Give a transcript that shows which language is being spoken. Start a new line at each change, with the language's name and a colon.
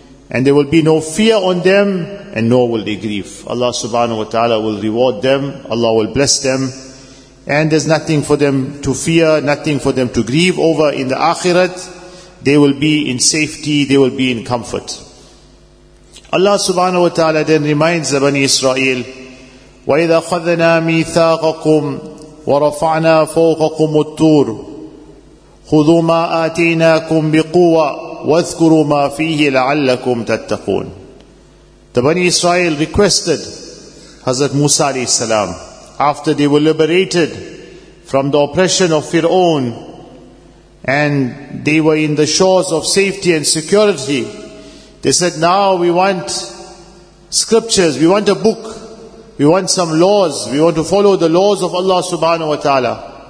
English: And there will be no fear on them, and nor will they grieve. Allah subhanahu wa ta'ala will reward them, Allah will bless them, and there's nothing for them to fear, nothing for them to grieve over in the akhirat. They will be in safety, they will be in comfort. Allah subhanahu wa ta'ala then reminds the Bani Israel,
Arabic: وَإِذَا خَذَنَا مِيثَاقَكُمْ وَرَفَعْنَا فَوْقَكُمُ الطُّورُ خُذُوا مَا آتَيْنَاكُمْ بِقُوَّةٍ وَاذْكُرُوا مَا فِيهِ لَعَلَّكُمْ تَتَّقُونَ.
English: The Bani Israel requested Hazrat Musa alayhi salam, after they were liberated from the oppression of Fir'aun and they were in the shores of safety and security, they said, now we want scriptures, we want a book, we want some laws, we want to follow the laws of Allah subhanahu wa ta'ala.